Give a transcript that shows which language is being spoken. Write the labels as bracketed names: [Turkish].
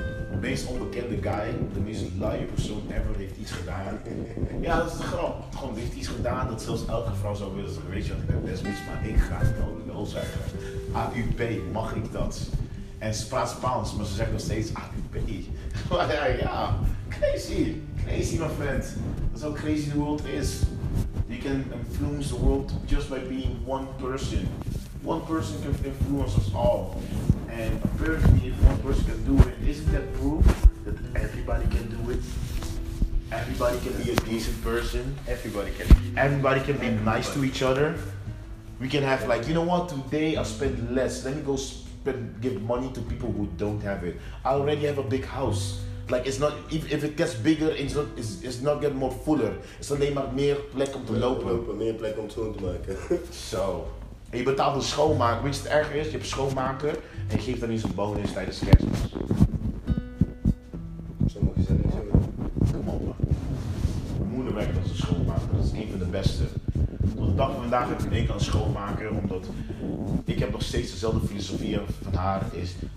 [Dutch] De meest onbekende guy, de meest luie persoon ever, heeft iets gedaan. Ja, dat is de grap. Gewoon, heeft iets gedaan dat zelfs elke vrouw zou willen zeggen. Weet je wat, ik ben best mis, maar ik ga gewoon de lul zeggen. AUP, mag ik dat? En ze praat Spaans, maar ze zegt nog steeds AUP. Maar ja, [English] crazy, my friend. [Dutch] Dat is hoe [English] crazy the world is. You can influence the world just by being one person. one person can influence us all. And apparently, if one person can do it, isn't that proof that everybody can do it? Everybody can be a decent person. Everybody can be nice to each other. We can have like, you know what, today I spend less. Let me go give money to people who don't have it. I already have a big house. Like, it's not, if it gets bigger, it's not get more fuller. [Dutch] It's alleen maar meer plek om te lopen. Meer plek om schoon te maken. Zo. [English] So. [Dutch] En je betaalt een schoonmaker. Weet je wat het erger is? Je hebt een schoonmaker en je geeft dan eens een bonus tijdens kerstmis. Zo mag je zeggen. Zo. Kom op. Mijn moeder werkt als een schoonmaker. Dat is een van de beste. Tot de dag van vandaag heb ik een kan schoonmaker, omdat ik heb nog steeds dezelfde filosofie van haar is.